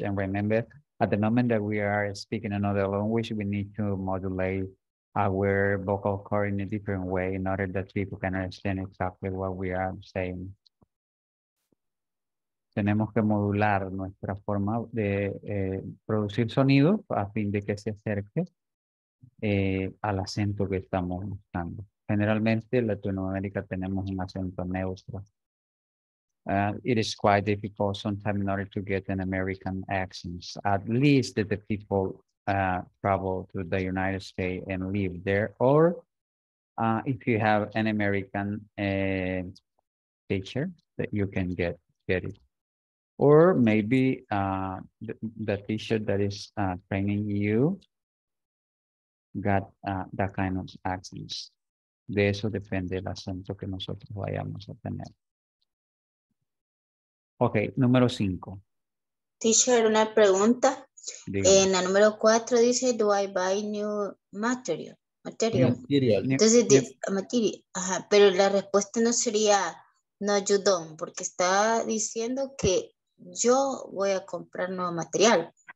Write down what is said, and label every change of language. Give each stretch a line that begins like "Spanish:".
English: And remember, at the moment that we are speaking another language, we need to modulate our vocal cord in a different way in order that people can understand exactly what we are saying.
Spanish: Tenemos que modular nuestra forma de producir sonido a fin de que se acerque al acento que estamos usando. Generalmente, en Latinoamérica tenemos un acento neutro.
English: It is quite difficult sometimes in order to get an American accent. At least that the people travel to the United States and live there. Or if you have an American teacher, that you can get it. Or maybe the teacher that is training you got that kind of accents.
Spanish: De eso depende el acento que nosotros vayamos a tener. Ok, número 5. Teacher, una pregunta. Digo. En la número 4 dice,
English: do I buy new material?
Spanish: Material. Pero la respuesta no sería,
English: no, you don't,
Spanish: porque está diciendo que yo voy a comprar nuevo material.